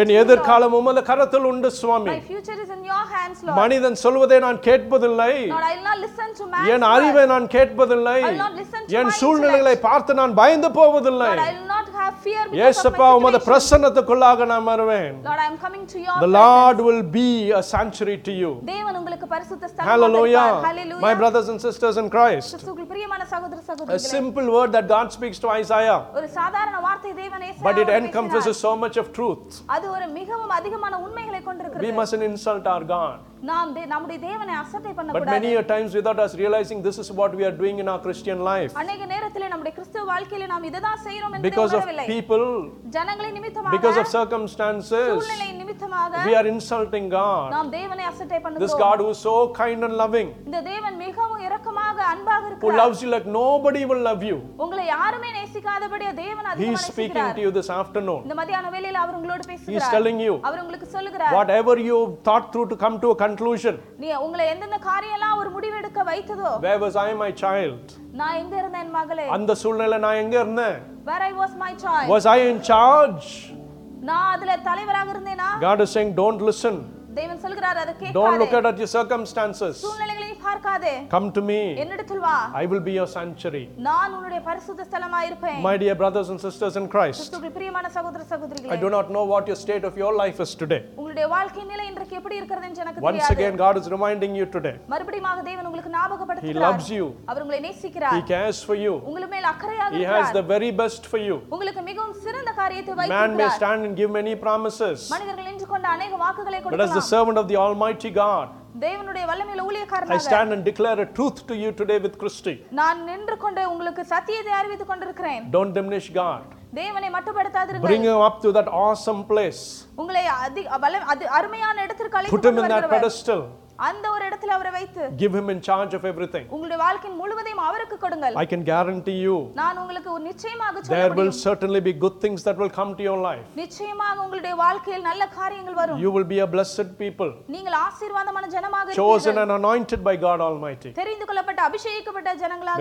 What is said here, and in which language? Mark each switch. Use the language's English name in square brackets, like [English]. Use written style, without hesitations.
[Tamil] என் எதிர்காலம் உம்முடைய கரத்தில் உண்டு சுவாமி [English] my future is in your hands lord [Tamil] மனிதன் சொல்வதை நான் கேட்பதில்லை [English] lord I will not listen to man [Tamil] என் அறிவை நான் கேட்பதில்லை [English] I will not listen to [Tamil] man என் சூழ்நிலைகளை பார்த்து நான் பயந்து போவதில்லை [English] lord I will not have fear [Tamil] இயேசுப்பா உம்முடைய பிரசன்னத்துக்குள்ளாக நான் வருவேன் [English] lord I am coming to your the lord will be a sanctuary to you [Tamil] தேவன் உங்களுக்கு பரிசுத்த ஸ்தலம் [English] hallelujah hallelujah my brothers and sisters in christ [Tamil] கிறிஸ்துவுக்கு பிரியமான சகோதர சகோதரிகளே [English] a simple word that God speaks to Isaiah [Tamil] ஒரு சாதாரண வார்த்தை தேவன் ஏசாயா [English] but it encompasses so much of truth [Tamil] அது ஒரு மிகவும் அதிகமான உண்மைகளை கொண்டிருக்கிறது [English] we mustn't insult our God [Tamil] நாம் நம்முடைய தேவனை அசட்டை பண்ண கூடாது [English] but many a times without us realizing this is what we are doing in our christian life [Tamil] அநேக நேரத்திலே நம்முடைய கிறிஸ்துவ வாழ்க்கையிலே நாம் இததான் செய்றோம் என்று தெரியவில்லை [English] because of people [Tamil] ஜனங்களின் நிமித்தமாக [English] because of circumstances [Tamil] சூழ்நிலையின் நிமித்தமாக விரோதமாக [English] we are insulting God [Tamil] நாம் தேவனை அசட்டை பண்ணுகிறோம் [English] this God who is so kind and loving [Tamil] இந்த தேவன் மிகவும் இரக்கமாக அன்பாக இருக்கிறார் [English] who loves you like nobody will love you [Tamil] உங்களை யாருமே நேசிக்காதபடியே தேவன் அதிகமாக நேசிக்கிறார் [English] he is speaking to you this afternoon [Tamil] இந்த மதியான வேளையில் அவர் உங்களோடு பேசுகிறார் [English] he is telling you [Tamil] அவர் உங்களுக்கு சொல்கிறார் [English] whatever you thought through to come to a conclusion [Tamil] நீ உங்களை என்ன என்ன காரியம் எல்லாம் ஒரு முடிவெடுக்க வைத்ததோ [English] where was I my child [Tamil] நான் எங்க இருந்தேன் மகளே அந்த சூழ்நிலையில நான் எங்க இருந்தேன் [English] where I was my child was I in charge [Tamil] நான் அதுல தலைவராக இருந்தேனா [English] God is saying don't listen [Tamil] தேவன் சொல்கிறார் அத கேட்காதே [English] don't look at your circumstances [Tamil] சூழ்நிலைகளை பார்க்காதே [English] come to me [Tamil] என்னிடத்தில் வா [English] I will be your sanctuary [Tamil] நான் உன்னுடைய பரிசுத்த ஸ்தலமாய் இருப்பேன் [English] my dear brothers and sisters in Christ [Tamil] கிறிஸ்துவின் பிரியமான சகோதர சகோதரிகளே [English] I do not know what your state of your life is today [Tamil] உங்களுடைய வாழ்க்கை நிலை இன்றைக்கு எப்படி இருக்கிறது என்று எனக்கு தெரியாது [English] once again God is reminding you today [Tamil] மறுபடியும்மாக தேவன் உங்களுக்கு ஞாபகப்படுத்துகிறார் [English] he loves you [Tamil] அவர் உங்களை நேசிக்கிறார் [English] he cares for you [Tamil] உங்களுக்கு மேல் அக்கறையாக இருக்கிறார் [English] he has the very best for you [Tamil] உங்களுக்கு மிகவும் சிறந்த காரியத்தை வைத்திருக்கிறார் [English] man may stand and give many promises [Tamil] மனிதர்கள் நின்று கொண்டு अनेक வாக்குகளை கொடுக்கலாம் [English] the servant of the almighty god [Tamil] தேவனுடைய வல்லமையில் ஊழியக்காரனாக [English] I stand and declare a truth to you today with Christy [Tamil] நான் நின்று கொண்டு உங்களுக்கு சத்தியத்தை அறிவித்துக் கொண்டிருக்கிறேன் [English] don't diminish god [Tamil] தேவனை மட்டுப்படுத்தாதீர்கள் [English] bring him up to that awesome place [Tamil] உங்களை அதி அருமையான இடத்திற்கு அழைத்து வந்து வருங்கள் [English] put him in that pedestal [Tamil] அந்த ஒரு இடத்துல அவரை வைத்து [English] give him in charge of everything [Tamil] உங்களுடைய வாழ்க்கையின் முழுவதையும் அவருக்கு கொடுங்கள் [English] I can guarantee you [Tamil] நான் உங்களுக்கு நிச்சயமாக சொல்ல முடியும் [English] there will certainly be good things that will come to your life [Tamil] நிச்சயமாக உங்களுடைய வாழ்க்கையில் நல்ல காரியங்கள் வரும் [English] you will be a blessed people [Tamil] நீங்கள் ஆசீர்வாதமான ஜனமாக இருப்பீர்கள் [English] chosen and anointed by God almighty [Tamil] தெரிந்து கொள்ளப்பட்ட அபிஷேகிக்கப்பட்ட ஜனங்களாக